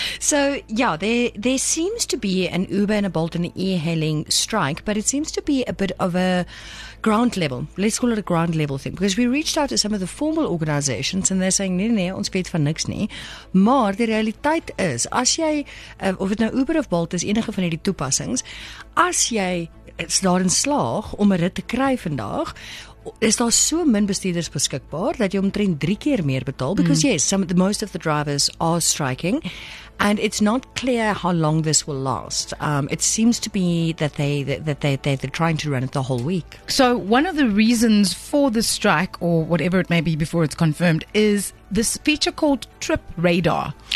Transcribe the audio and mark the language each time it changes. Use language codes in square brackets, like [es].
[en] So, yeah, there seems to be an Uber and a Bolt and an e-hailing strike, but it seems to be a bit of a ground level. Let's call it a ground level thing, because we reached out to some of the formal organizations and they're saying, [af] nee, nee, ons weet van niks nie. Maar die realiteit is, as jy, of het nou Uber of Bolt is enige van die toepassings, as jy daarin slaag om 'n rit te kry vandag, is daar so min bestuurders beskikbaar dat jy omtrent 3 keer meer betaal? [en] Because yes, most of the drivers are striking, and it's not clear how long this will last. It seems to be that they're trying to run it the whole week. So one of the reasons for the strike, or whatever it may be before it's confirmed, is this feature called Trip Radar.